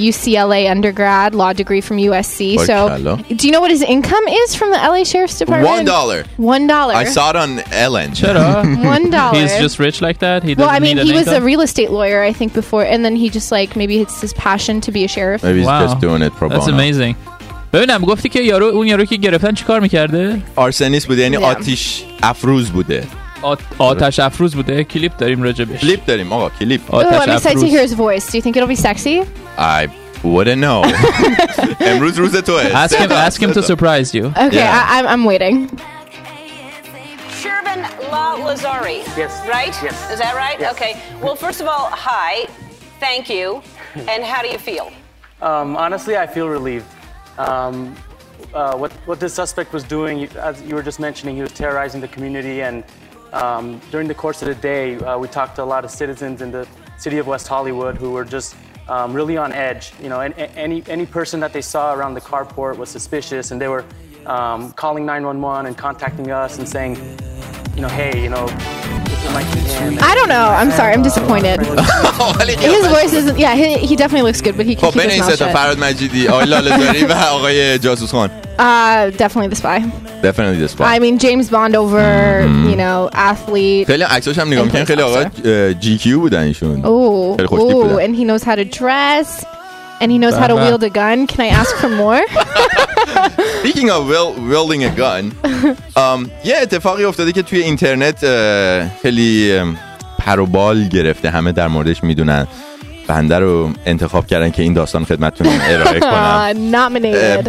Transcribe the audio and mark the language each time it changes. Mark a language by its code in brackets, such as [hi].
[en] UCLA undergrad, law degree from USC. Inshallah. So, do you know what his income is from the LA Sheriff's Department? $1. $1. I saw it on Ellen. Shut up. $1. He's just rich like that? He was a real estate lawyer, I think, before. And then he just, like, maybe it's his passion to be a sheriff. Maybe he's just doing it pro bono. That's amazing. [fa] ببینم گفتی که یارو اون یارو که گرفتن چی کار میکرده؟ آرسنیس بوده، یعنی آتش افروز بوده. آتش افروز بوده. کلیپ داریم راجبش. کلیپ داریم آقا، کلیپ آتش افروز. [en] Let me say to hear his voice. Do you think it'll be sexy? I wouldn't know. [fa] امروز روز توه. [en] Ask him to surprise you. Okay, yeah. I'm waiting. Shervin Lalezari. Yes. Right? Yes. Is that right? Yes. Okay. Well, first of all, hi. Thank you. And how do you feel? Honestly, I feel relieved. What this suspect was doing, as you were just mentioning, he was terrorizing the community, and during the course of the day, we talked to a lot of citizens in the city of West Hollywood who were just really on edge. You know, any person that they saw around the carport was suspicious, and they were calling 911 and contacting us and saying, you know, hey, you know. I don't know. I'm sorry. I'm disappointed. His voice isn't. Yeah, he definitely looks good, but he can't keep his mouth shut. [fa] فرهاد مجیدی، آقای لاله‌زاری و آقای جاسوس خان. [en] Definitely the spy. Definitely the spy. I mean, James Bond over, you know, athlete. [fa] خیلی عکسش هم نگاه می‌کنم. خیلی آقای GQ بودن ایشون. [en] Oh. Oh, and he knows how to dress. And he knows how to wield a gun. Can I ask for more? Speaking of wielding a gun, [fa] اتفاقی افتاده که توی اینترنت خیلی پروبال گرفته. همه در موردش میدونن. بنده رو انتخاب کردن که این داستان خدمتتون ارائه کنم. [en] Nominated.